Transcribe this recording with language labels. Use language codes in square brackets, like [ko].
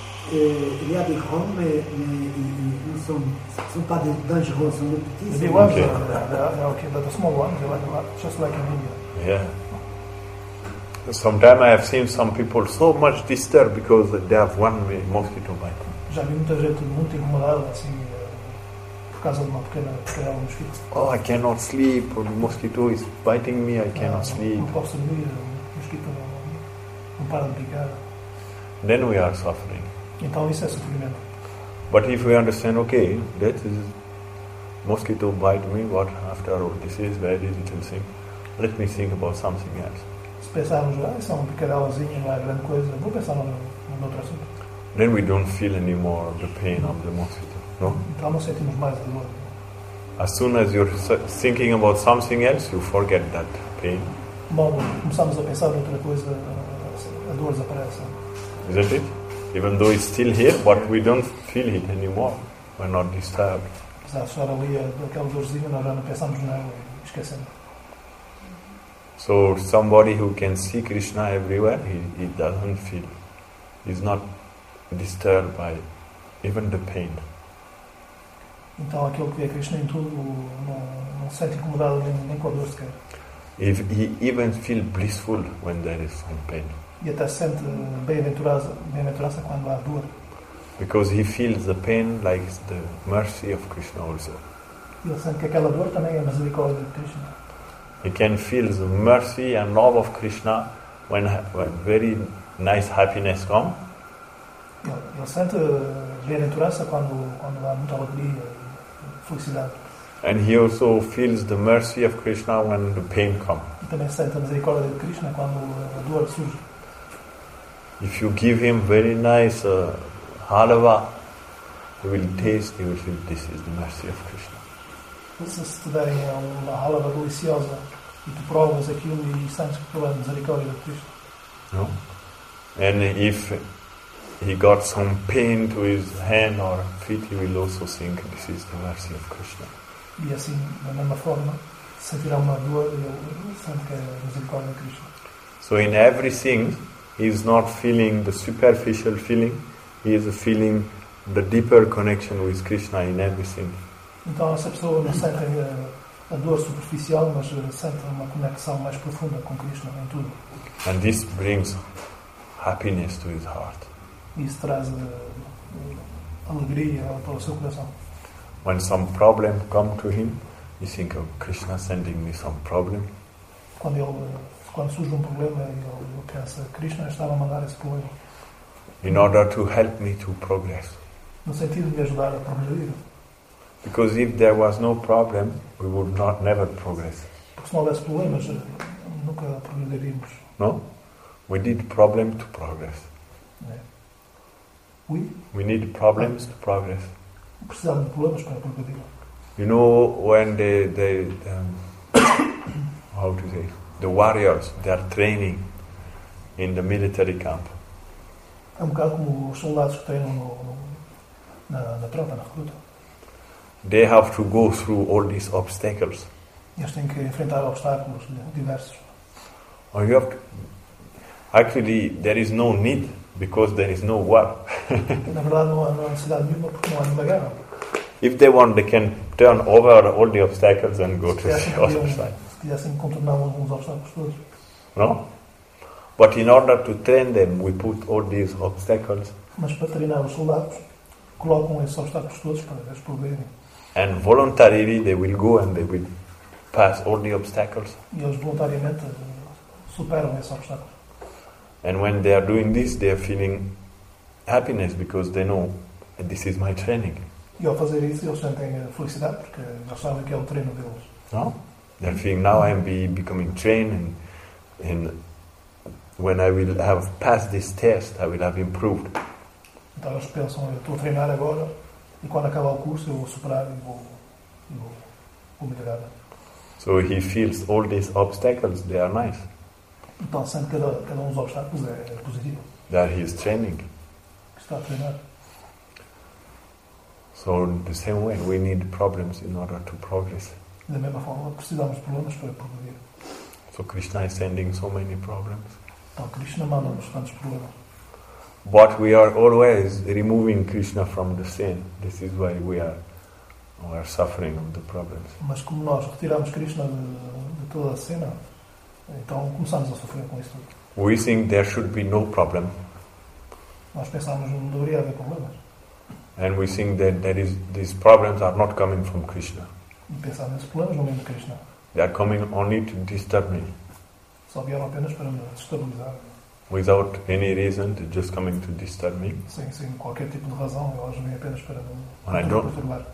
[pt] Ele é de Rome, mas não são tão dangerosos, são muito pequenos. [en] Big ones, yeah, okay, but the small ones, they like a lot, just like in India. Yeah. Sometimes I have seen some people so much disturbed because they have one mosquito bite. [pt] Já vi muita gente muito incomodada assim por causa de uma pequena mosquito. [en] Oh, I cannot sleep. The mosquito is biting me. I cannot sleep. [pt] Não posso dormir. O mosquito não para de picar. [en] Then we are suffering. [pt] Então isso é sofrimento. [en] But if we understand, okay, that is mosquito bite me. What after all? This is very little thing. Let me think about something else. [pt] Se pensarmos, ah, isso é uma picadelazinha, não é grande coisa, vou pensar no outro assunto. [en] Then we don't feel anymore the pain of the mosquito, no? [pt] Então não sentimos mais a dor. [en] As soon as you're thinking about something else, you forget that pain. [pt] Bom, começamos a pensar em outra coisa, a dor desaparece. [en] Isn't it? Even though it's still here, but we don't feel it anymore. We're not disturbed. [pt] Apesar de estar ali aquela dorzinha, nós já não pensamos nela e esquecemos. [en] So somebody who can see Krishna everywhere, he doesn't feel, he's not disturbed by even the pain. [pt] Então aquele que vê Krishna em tudo não se sente incomodado nem com a dor sequer. [en] If he even feel blissful when there is some pain. [pt] E até se sente bem-aventurado quando há dor. [en] Because he feels the pain like the mercy of Krishna also. [pt] Ele sente que aquela dor também é misericórdia de Krishna. [en] He can feel the mercy and love of Krishna when very nice happiness come. [pt] Eu sinto bem-aventurança quando há muita alegria e felicidade. [en] And he also feels the mercy of Krishna when the pain come. [pt] E também sente a misericórdia de Krishna quando a dor surge. [en] If you give him very nice halva, he will taste, he will feel this is the mercy of Krishna. [pt] Se te derem uma halva deliciosa e tu provas aquilo e sentes que pela misericórdia de Cristo. [en] No? And if he got some pain to his hand or feet, he will also think this is the mercy of Krishna. [pt] E assim, da mesma forma, sentirá uma dor e sente que é misericórdia de Cristo. [en] So in everything, he is not feeling the superficial feeling, he is feeling the deeper connection with Krishna in everything. [pt] Então essa pessoa não sente a dor superficial, mas sente uma conexão mais profunda com Krishna em tudo. [en] And this brings happiness to his heart. [pt] Isso traz alegria para o seu coração. [en] When some problem come to him, he think of Krishna sending me some problem. [pt] Quando surge problema, ele pensa Krishna estava a mandar esse problema. [en] In order to help me to progress. [pt] No sentido de me ajudar a progredir. [en] Because if there was no problem, we would not never progress. [pt] Porque se não houvesse problemas, nunca progrediríamos. [en] No? We need problem to progress. We? We need problems to progress. [pt] Precisamos de problemas para progredir. [en] You know when they how to say, the warriors, they are training in the military camp. [pt] É um bocado como os soldados que treinam na tropa, na recruta. [en] They have to go through all these obstacles. [pt] Eles têm que enfrentar obstáculos diversos. [en] Or you have to, actually, there is no need because there is no war. [pt] Na verdade, não há necessidade nenhuma porque não há nenhuma guerra. [en] If they want, they can turn over all the obstacles and go to the other side. [pt] Se quisessem contornar alguns obstáculos todos. [en] No? But in order to train them, we put all these obstacles. [pt] Mas para treinar os soldados, colocam esses obstáculos todos para eles poderem. [en] And voluntarily they will go and they will pass all the obstacles. [pt] E eles voluntariamente superam esses obstáculos. [en] And when they are doing this, they are feeling happiness because they know that this is my training. [pt] E ao fazer isso, eles sentem felicidade porque eles sabem que é o treino deles. [en] No? They are feeling now I am becoming trained and when I will have passed this test, I will have improved. [pt] Então eles pensam, eu estou a treinar agora. E quando acabar o curso, eu vou superar e vou melhorar. [en] So he feels all these obstacles, they are nice. [pt] Então sente que cada um dos obstáculos é positivo. [en] That he is training. [pt] Está a treinar. [en] So in the same way, we need problems in order to progress. [pt] Da mesma forma, precisamos de problemas para progredir. [en] So Krishna is sending so many problems. [pt] Então Krishna manda-nos tantos problemas. [en] But we are always removing Krishna from the scene. This is why we are suffering of the problems. [pt] Mas como nós retiramos Krishna de toda a cena, então começamos a sofrer com isso. [en] We think there should be no problem. [pt] Nós pensamos que não deveria haver problemas. [en] And we think that these problems are not coming from Krishna. [pt] E pensamos esses problemas não vêm de Krishna. [en] They are coming only to disturb me. [pt] Só vieram apenas para me desestabilizar. [en] Without any reason, they're just coming to disturb me. [pt] Sim, sim, qualquer tipo de razão, elas vêm apenas para me perturbar.